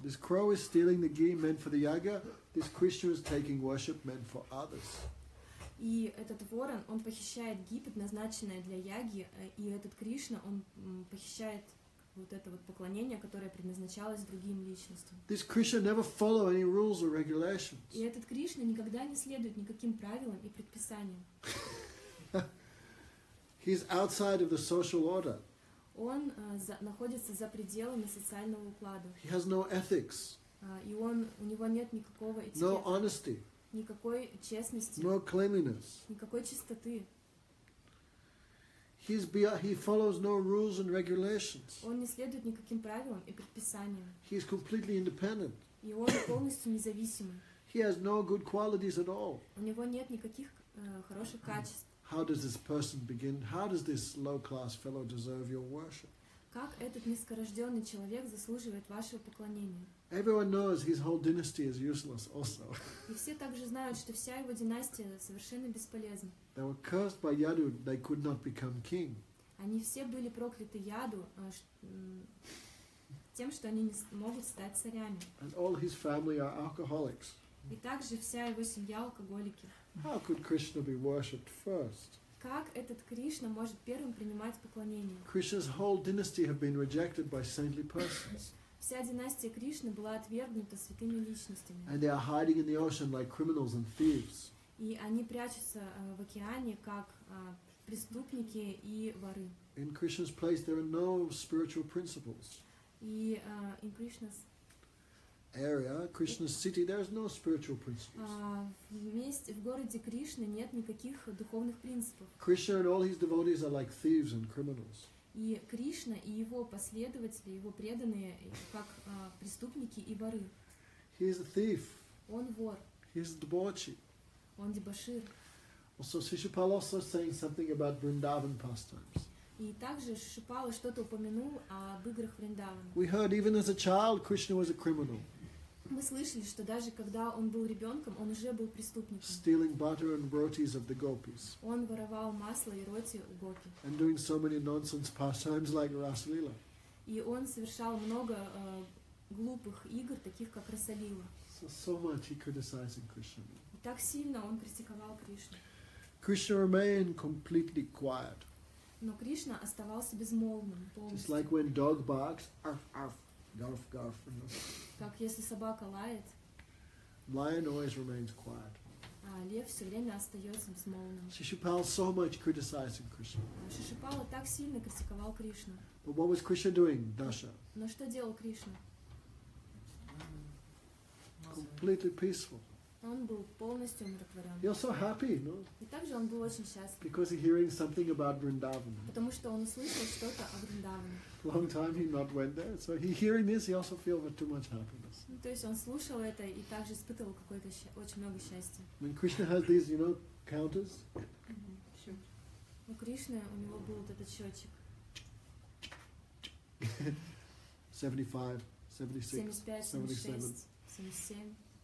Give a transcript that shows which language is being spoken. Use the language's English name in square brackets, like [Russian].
[English] This crow is stealing the ghee meant for the yagya. This Krishna is taking worship meant for others. [Russian] И этот ворон, он похищает ги, предназначенное для яги, и этот Кришна, он похищает вот это вот поклонение, которое предназначалось другим личностям. [English] This Krishna never follow any rules or regulations. [Russian] И этот Кришна никогда не следует никаким правилам и предписаниям. [English] He's outside of the social order. [Russian] Он находится за пределами социального уклада. [English] He has no ethics. [Russian] И он, у него нет никакого этикета. [English] No honesty. [Russian] Никакой честности. [English] No cleanliness. [Russian] Никакой чистоты. [English] He follows no rules and regulations. [Russian] Он не следует никаким правилам и предписаниям. [English] He is completely independent. [Russian] И он полностью независимый. [English] He has no good qualities at all. [Russian] У него нет никаких хороших качеств. [English] How does this person begin? How does this low-class fellow deserve your worship? [Russian] Как этот низкорожденный человек заслуживает вашего поклонения? [English] Everyone knows his whole dynasty is useless also. [Russian] И все также знают, что вся его династия совершенно бесполезна. [English] They were cursed by Yadu, they could not become king. [Russian] Они все были прокляты Яду тем, что они не могут стать царями. [English] And all his family are alcoholics. [Russian] И также вся его семья алкоголики. [English] How could Krishna be worshipped first? [Russian] Как этот Кришна может первым принимать поклонение? [English] Krishna's whole dynasty have been rejected by saintly persons. [Russian] Вся династия Кришны была отвергнута святыми личностями. [English] And they are hiding in the ocean like criminals and thieves. [Russian] И они прячутся в океане как преступники и воры. [English] In Krishna's place there are no spiritual principles. И in Krishna's area, Krishna's city, there is no spiritual principles. [Russian] Вместе в городе Кришны нет никаких духовных принципов. [English] Krishna and all his devotees are like thieves and criminals. [Russian] И Кришна и его последователи, его преданные, как преступники и воры. [English] He is a thief. [Russian] Он вор. [English] He is a debauchee. [Russian] Он дебошир. [English] Also, Shishupala also saying something about Vrindavan pastimes. [Russian] И также Шишупала что-то упомянул об играх Вриндавана. [English] We heard even as a child Krishna was a criminal. [Russian] Мы слышали, что даже когда он был ребенком, он уже был преступником. [English] Stealing butter and rotis of the gopis. [Russian] Он воровал масло и роти у гопи. [English] And doing so many nonsense pastimes like Rasalila. [Russian] И он совершал много глупых игр, таких как Расалила. [English] So much he criticizing Krishna. [Russian] И так сильно он критиковал Кришну. [English] Krishna remained completely quiet. [Russian] Но Кришна оставался безмолвным полностью. [English] Just like when dog barks, arf, arf, garf, garf. [Russian] Как если собака лает. [English] Lion always remains quiet. [Russian] Лев все время остается безмолвным. [English] Shishupal so much criticizing Krishna. [Russian] Шишупала так сильно критиковал Кришну. [English] But what was Krishna doing, Dasha? [Russian] Но что делал Кришна? [English] Completely peaceful. [Russian] Он был полностью умиротворен. [English] He was so happy, no? [Russian] И также он был очень счастлив. [English] Because he hearing something about Vrindavan. [Russian] Потому что он услышал что-то о Вриндаване. [English] Long time he not went there, so he hearing this, he also feel too much happiness. [Russian] То есть он слушал это и также испытывал какое-то очень много счастья. [English] When Krishna has these, you know, counters. [Russian] У Кришны у него был вот этот счетчик. [English] 75, 76, 77.